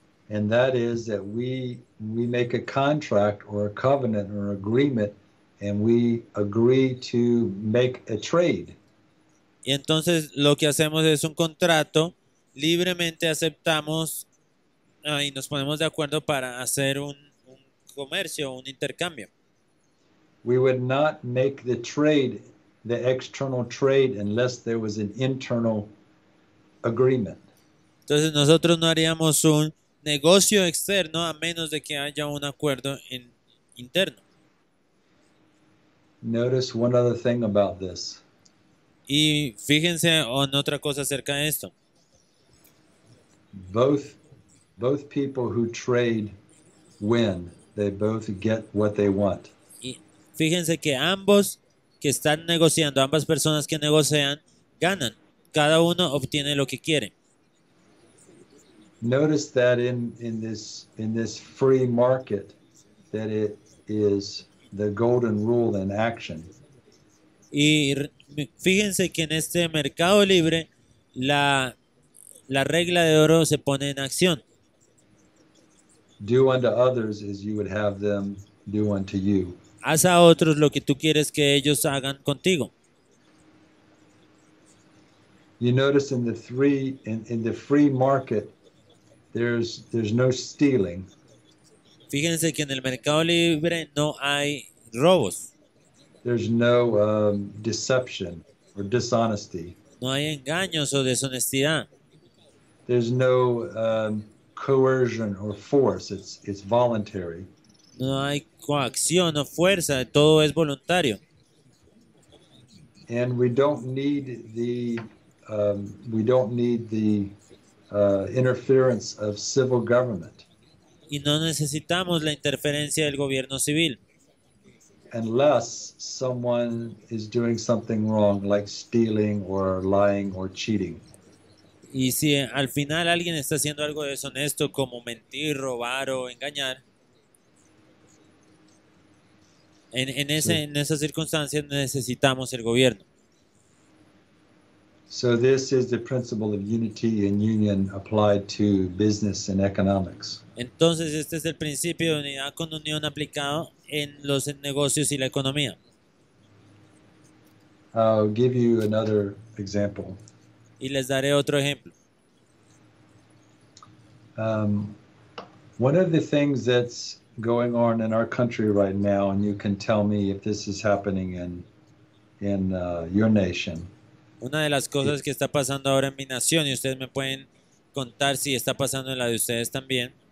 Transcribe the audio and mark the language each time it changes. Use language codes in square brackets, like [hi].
[en] And that is that we make a contract or a covenant or agreement, and we agree to make a trade. [es] Y entonces lo que hacemos es un contrato, libremente aceptamos y nos ponemos de acuerdo para hacer un comercio, un intercambio. [en] We would not make the trade, the external trade, unless there was an internal agreement. [es] Entonces nosotros no haríamos un negocio externo a menos de que haya un acuerdo interno. [en] Notice one other thing about this. [es] Y fíjense en otra cosa acerca de esto. [en] Both people who trade win. They both get what they want. [es] Y fíjense que ambos que están negociando, ambas personas que negocian, ganan. Cada uno obtiene lo que quiere. [en] Notice that in this free market that it is the golden rule in action. [es] Y fíjense que en este mercado libre la regla de oro se pone en acción. [en] Do unto others as you would have them do unto you. [es] Haz a otros lo que tú quieres que ellos hagan contigo. [en] You notice in the three in the free market there's no stealing. [es] Fíjense que en el mercado libre no hay robos. [en] There's no deception or dishonesty. [es] No hay engaños o deshonestidad. [en] There's no coercion or force. It's voluntary. [es] No hay coacción o fuerza, todo es voluntario. [en] And we don't need the interference of civil government. [es] Y no necesitamos la interferencia del gobierno civil. [en] Unless someone is doing something wrong, like stealing or lying or cheating. [es] Y si al final alguien está haciendo algo deshonesto, como mentir, robar o engañar, en esas circunstancias necesitamos el gobierno. [en] So this is the principle of unity and union applied to business and economics. [es] Entonces, este es el principio de unidad con unión aplicado en los negocios y la economía. [en] I'll give you another example. [es] Y les daré otro ejemplo. [en] One of the things that's going on in our country right now, and you can tell me if this is happening in your nation. [es] Una de las cosas que está pasando ahora en mi nación, y ustedes me pueden contar si está pasando en la de ustedes también.